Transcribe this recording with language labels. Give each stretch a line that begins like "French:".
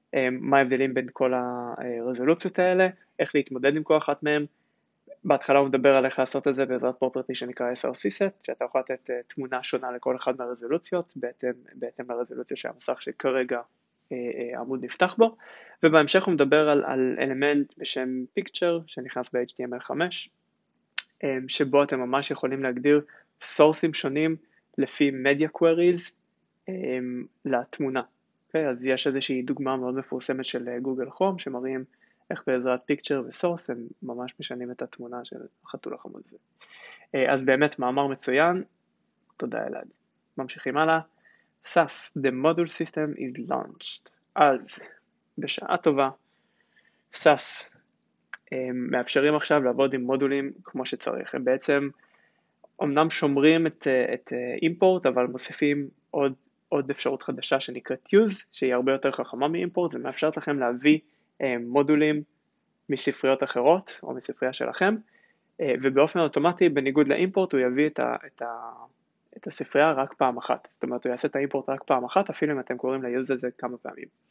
Hebrew: מה ההבדלים בין כל הרזולוציות האלה, איך להתמודד עם כל אחת מהן, בהתחלה הוא מדבר על איך לעשות את זה בעזרת פרופרטי שנקרא SRC set, שאתה יכול לתת תמונה שונה לכל אחד מהרזולוציות, בהתאם לרזולוציה שהמסך שכרגע עמוד נפתח בו, ובהמשך הוא מדבר על אלמנט בשם picture, שנכנס ב-HTML5, שבו אתם ממש יכולים להגדיר סורסים שונים לפי media queries לתמונה. Okay, אז יש איזושהי דוגמה מאוד מפורסמת של גוגל חום, שמראים איך בעזרת picture וsource הם ממש משנים את התמונה של החתול החמוד הזה. אז באמת מאמר מצוין, תודה אלעד. ממשיכים הלאה.
English: SAS, the module system is launched.
Hebrew: אז, בשעה טובה, SAS מאפשרים עכשיו לעבוד עם מודולים כמו שצריך. הם בעצם אמנם שומרים את import, אבל מוסיפים עוד אפשרות חדשה שנקראת use, שהיא הרבה יותר חכמה מ-import, ומאפשרת לכם להביא מודולים מספריות אחרות או מספרייה שלכם, ובאופן אוטומטי בניגוד לאימפורט הוא יביא את הספרייה רק פעם אחת, זאת אומרת הוא יעשה את האימפורט רק פעם אחת אפילו אם אתם קוראים ליוז הזה כמה פעמים.